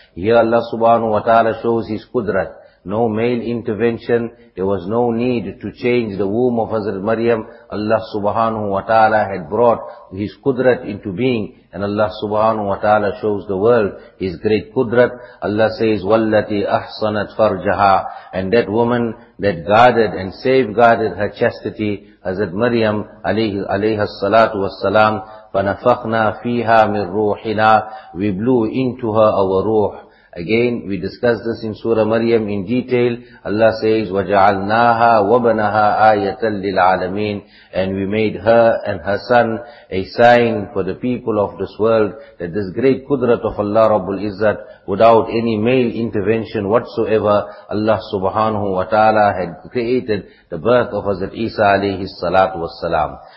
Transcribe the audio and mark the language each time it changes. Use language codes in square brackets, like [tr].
[en] Here Allah subhanahu wa ta'ala shows his qudrat. No male intervention, there was no need to change the womb of Hazrat Maryam. Allah subhanahu wa ta'ala had brought his qudrat into being, and Allah subhanahu wa ta'ala shows the world his great qudrat. Allah says, [ar] وَالَّتِي أَحْصَنَتْ فَرْجَهَا. [en] And that woman that guarded and safeguarded her chastity, Hazrat Maryam alayhi salatu wassalam, [ar] فَنَفَخْنَا فِيهَا مِنْ رُوحِنَا. [en] We blew into her our ruh. Again, we discussed this in Surah Maryam in detail. Allah says, [ar] وَجَعَلْنَاهَا وَبَنَهَا آيَةً لِلْعَالَمِينَ. [en] And we made her and her son a sign for the people of this world, that this great qudrat of Allah Rabbul Izzat, without any male intervention whatsoever, Allah subhanahu wa ta'ala had created the birth of Hazrat Isa alayhi salatu wassalam.